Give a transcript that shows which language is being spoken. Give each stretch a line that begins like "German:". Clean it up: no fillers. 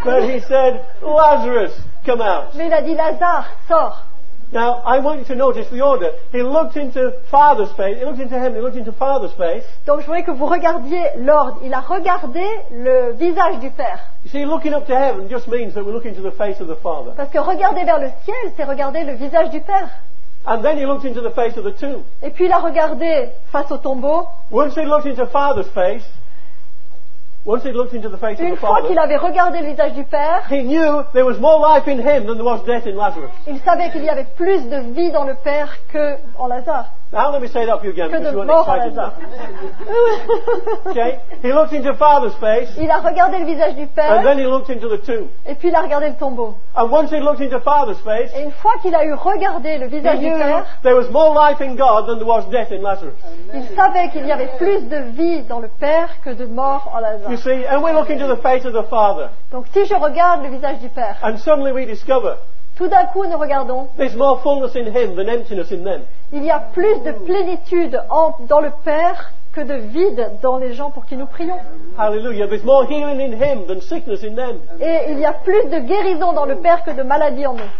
English: But he said, Lazarus, come out.
French: Mais il a dit, Lazare, sors.
English: Now, I want you to notice the order. He looked into Father's face. He looked into heaven. He looked into Father's face.
French: Donc, je voudrais que vous regardiez l'ordre. Il a regardé le visage du Père.
English: You see, looking up to heaven just means that we're looking to the face of the Father.
French: Parce que regarder vers le ciel, c'est regarder le visage du Père.
English: And then he looked into the face of the tomb.
French: Et puis, il a regardé face au tombeau.
English: Once he looked into Father's face, once he looked into the face
French: une
English: of the
French: fois
English: Father,
French: qu'il avait regardé le visage du Père,
English: he knew there was more life in him than there was death in Lazarus.
French: Il savait qu'il y avait plus de vie dans le Père que en Lazare.
English: Now let me say that for you again,
French: que
English: because you weren't excited enough. Okay? He looked into Father's face.
French: Il a regardé le visage du Père.
English: And then he looked into the tomb.
French: Et puis il a regardé le tombeau.
English: And once he looked into Father's face,
French: et une fois qu'il a eu regardé le visage du Père,
English: there was more life in God than there was death in Lazarus. Amen.
French: Il savait qu'il y avait plus de vie dans le Père que de mort en Lazare.
English: You see, and we look into the face of the Father.
French: Donc si je regarde le visage du Père,
English: and suddenly we discover,
French: tout d'un coup nous regardons,
English: there's more fullness in him than emptiness in them.
French: Il y a plus de plénitude dans le Père que de vide dans les gens pour qui nous prions.
English: Hallelujah. There's more healing in him than sickness in them.
French: Et il y a plus de guérison dans le Père que de maladie en nous.